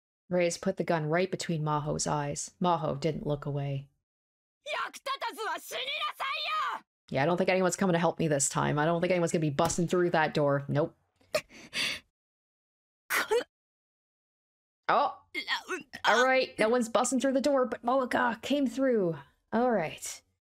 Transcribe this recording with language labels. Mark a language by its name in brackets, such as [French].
[English] Reyes put the gun right between Maho's eyes. Maho didn't look away. [Japanese] 役立たずは死になさいよ。 [English] Yeah, I don't think anyone's coming to help me this time. I don't think anyone's gonna be busting through that door. Nope. Oh, all right, no one's busting through the door, but Mooka came through. All right.